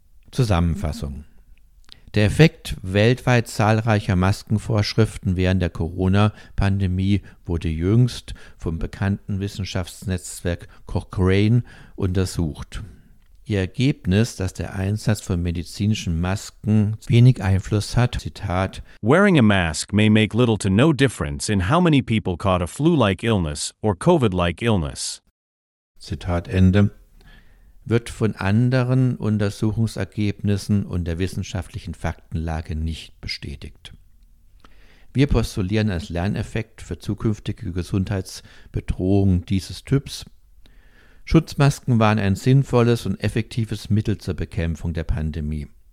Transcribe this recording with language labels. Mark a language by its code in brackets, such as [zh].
[de] Zusammenfassung: Der Effekt weltweit zahlreicher Maskenvorschriften während der Corona-Pandemie wurde jüngst vom bekannten Wissenschaftsnetzwerk Cochrane untersucht. Ihr Ergebnis, dass der Einsatz von medizinischen Masken wenig Einfluss hat, Zitat: [en] Wearing a mask may make little to no difference in how many people caught a flu-like illness or COVID-like illness. [de] Zitat Ende. Wird von anderen Untersuchungsergebnissen und der wissenschaftlichen Faktenlage nicht bestätigt. Wir postulieren als Lerneffekt für zukünftige Gesundheitsbedrohungen dieses Typs: Schutzmasken waren ein sinnvolles und effektives Mittel zur Bekämpfung der Pandemie.